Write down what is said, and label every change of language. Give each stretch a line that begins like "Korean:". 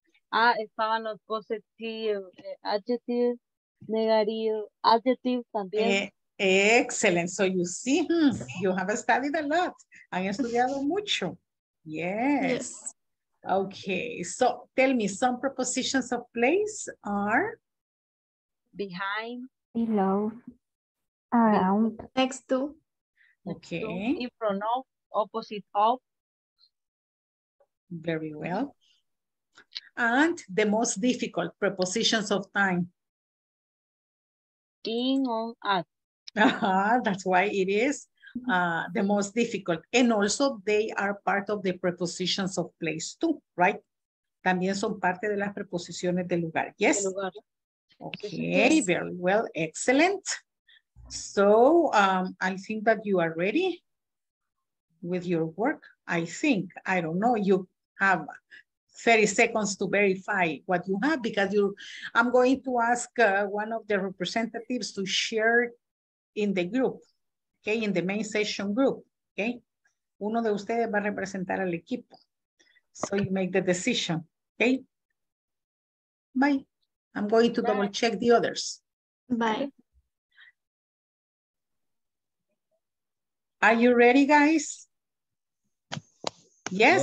Spanish: Ah, estaban los
English: positive adjectives, negative adjectives
Spanish: también.
English: Excellent. So you see, you have studied a lot.
Spanish: Han estudiado mucho. Yes. Okay.
English: So tell me, some prepositions of place are? Behind. Below. Around. Next to. Okay. In front of. Opposite of. Very well. And the most difficult prepositions of time. In, on, at. That's why it is the most difficult. And also they are part of the prepositions of place too, right?
Spanish: También son parte de las preposiciones del lugar.
English: Yes? Okay, yes. Very well, excellent. So I think that you are ready with your work. I think, I don't know, you have 30 seconds to verify what you have, because you, I'm going to ask one of the representatives to share in the group, okay, in the main session group, okay?
Spanish: Uno de ustedes va a representar al equipo.
English: So you make the decision, okay? Bye. I'm going to double check the others. Bye. Are you ready, guys? Yes?